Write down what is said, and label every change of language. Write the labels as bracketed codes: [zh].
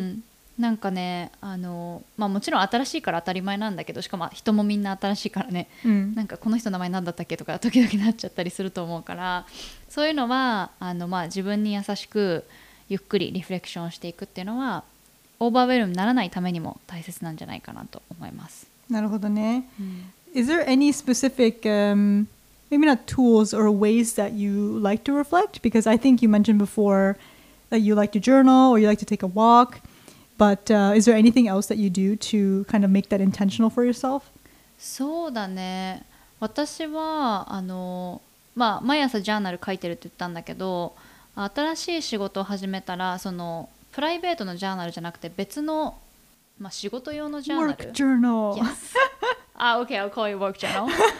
[ja] んなんかね、まあもちろん新しいから当たり前なんだけど、しかも人もみんな新しいからね、うん、なんかこの人の名前なんだったっけとか時々なっちゃったりすると思うから、そういうのは、まあ自分に優しくゆっくりリフレクションしていくっていうのは、オーバーウェルムにならないためにも大切なんじゃないかなと思います。なるほどね。うん、 [en] Is there any specific, maybe not tools or ways that you like to reflect? Because I think you mentioned before that you like to journal or you like to take a walk. But is there anything else that you do to kind of make that intentional for yourself? [ja] そうだね。私は、まあ、毎朝ジャーナル書いてるって言ったんだけど、新しい仕事を始めたら、その、プライベートのジャーナルじゃなくて別の、まあ、仕事用のジャーナル。 [en] Work journal! Yes. okay, I'll call you work journal.